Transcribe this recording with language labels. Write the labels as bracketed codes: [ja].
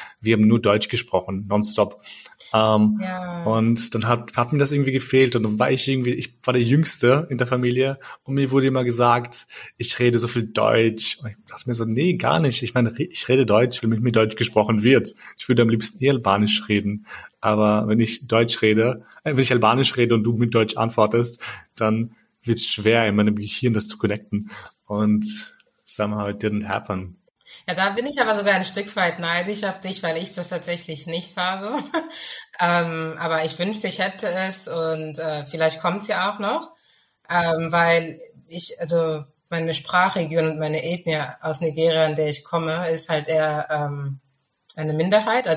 [de] Wir haben nur Deutsch gesprochen, nonstop. Und dann hat mir das irgendwie gefehlt und dann war ich war der Jüngste in der Familie und mir wurde immer gesagt, ich rede so viel Deutsch. Und ich dachte mir so, nee, gar nicht. Ich meine, ich rede Deutsch, wenn mit mir Deutsch gesprochen wird. Ich würde am liebsten eher Albanisch reden. Aber wenn ich Albanisch rede und du mit Deutsch antwortest, dann wird es schwer, in meinem Gehirn das zu connecten. [en] Und somehow it didn't happen. [de] Ja, da bin ich aber sogar ein Stück weit neidisch auf dich, weil ich das tatsächlich nicht habe. aber ich wünschte, ich hätte es und vielleicht kommt es ja auch noch, weil ich, also meine Sprachregion und meine Ethnie aus Nigeria, in der ich komme, ist halt eher eine Minderheit.